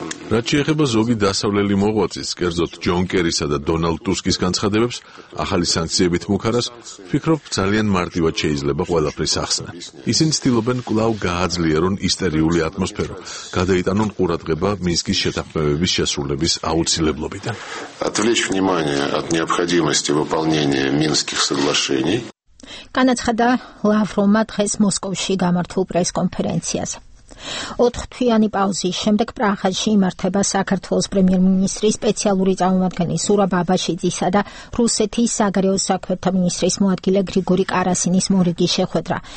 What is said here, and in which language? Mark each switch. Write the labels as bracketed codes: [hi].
[ka] რაც შეეხება ზოგი დასავლელი მოღვაწის, კერძოდ ჯონ კერისა და დონალდ ტუსკის განცხადებებს ახალი სანქციებით მუქარას, ვფიქრობ, ძალიან მარტივად შეიძლება ყველაფრის ახსნა. ისინი ცდილობენ კვლავ გააძლიერონ ისტერიული ატმოსფერო, გადაიტანონ ყურადღება მინსკის შეთანხმებების შესრულების აუცილებლობიდან. [ru] Отвлечь внимание от необходимости выполнения Минских соглашений. [ka] განაცხადა ლავროვმა დღეს მოსკოვში გამართულ პრესკონფერენციაზე. 4-თვიანი პაუზის შემდეგ პრაღაში იმართება საქართველოს პრემიერ-მინისტრის სპეციალური წარმომადგენლის ზურაბ აბაშიძისა და რუსეთის საგარეო საქმეთა მინისტრის მოადგილე გრიგორი კარასინის მორიგის შეხვედრა.